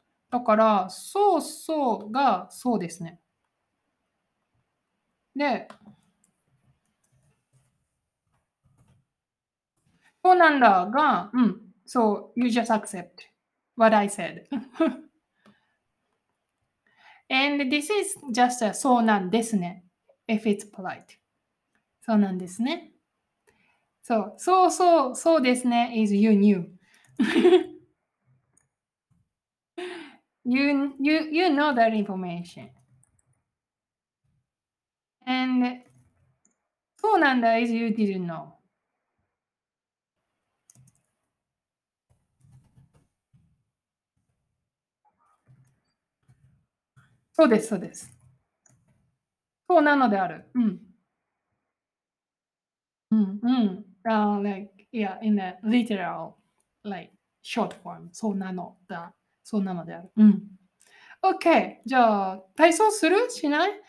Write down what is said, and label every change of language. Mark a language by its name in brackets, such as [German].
[Japanese] だから、そうそうがそうですね。 [English] で、そうなんだが、うん、so you just accept what I said. And this is just a そうなんですね、if it's polite. [Japanese] そうなんですね。 [English] So, そうそう、そうですね is you knew. you know that information. And そうなんだ is you didn't know. [Japanese] そうです、そうです。そうなのである。うん。うん、うん。 [English] Like, yeah, in a literal, like, short form. [Japanese] そうなのだ。そうなのである。うん。OK。じゃあ、体操するしない？